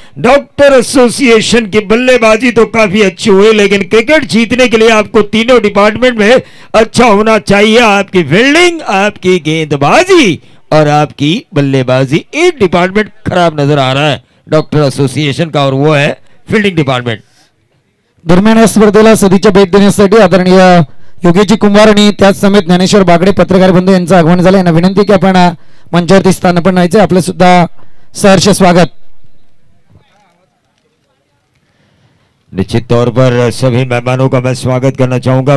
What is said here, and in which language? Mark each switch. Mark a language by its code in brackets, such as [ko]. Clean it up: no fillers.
[hi] Doctor association की बल्लेबाजी तो काफी अच्छी हुई, लेकिन क्रिकेट जीतने के लिए आपको तीनों डिपार्टमेंट में अच्छा होना चाहिए, आपकी फील्डिंग, आपकी गेंदबाजी और आपकी बल्लेबाजी। एक डिपार्टमेंट खराब नजर आ रहा है डॉक्टर एसोसिएशन का और वो है फील्डिंग डिपार्टमेंट। [mr] दरम्यान स्पर्धेला सदीच्या भेट देण्यासाठी आदरणीय योगेश कुमार आणि त्याच समेत ज्ञानेश्वर बागडे पत्रकार बंधू यांचं आगमन झालं, यांना विनंती की आपण मंचावरती स्थानापन व्हायचं, आपलं सुद्धा सहर्ष स्वागत। [hi] निश्चित तौर पर सभी मेहमानों का मैं स्वागत करना चाहूंगा।